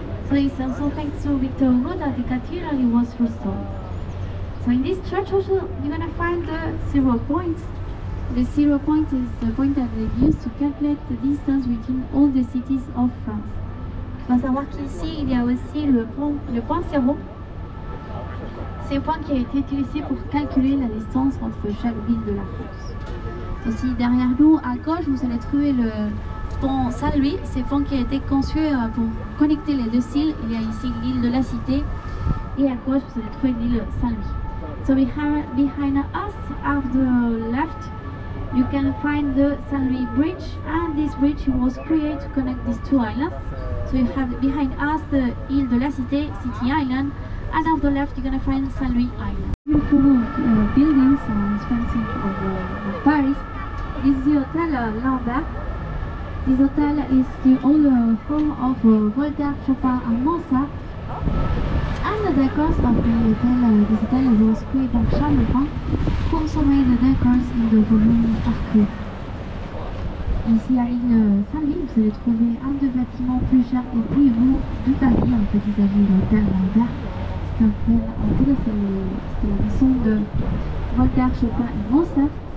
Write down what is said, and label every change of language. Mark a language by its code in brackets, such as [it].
[en] So it's also thanks to Victor Hugo that the cathedral was restored. So in this church also, you're going to find the zero point. The zero point is the point that they used to calculate the distance between all the cities of France. [fr] Il faut savoir qu'ici, il y a aussi le point zéro. C'est le point qui a été utilisé pour calculer la distance entre chaque ville de la France. Aussi derrière nous, à gauche, vous allez trouver le pont Saint-Louis, c'est pont qui a été conçu pour connecter les deux îles. Il y a ici l'île de la Cité et à gauche vous allez trouver l'île Saint-Louis. [en] So behind us, on the left, you can find the Saint-Louis Bridge, and this bridge was created to connect these two islands. So you have behind us the île de la Cité, City Island, and on the left you're gonna find Saint-Louis Island. Beautiful buildings and expensive of Paris. This is the Hotel Lambert. This hotel is the old home of Voltaire, Chopin and Mozart. And the decors of the hotel, this hotel was created by Charles Le Brun, also made the decors in the Volume Parcours. [fr] Ici à l'île Saint-Louis, vous allez trouver un des bâtiments plus chers et plus beaux de Paris. En fait, il s'agit de l'hôtel Lambert. C'est un hôtel, c'est la maison de Voltaire, Chopin et Mozart.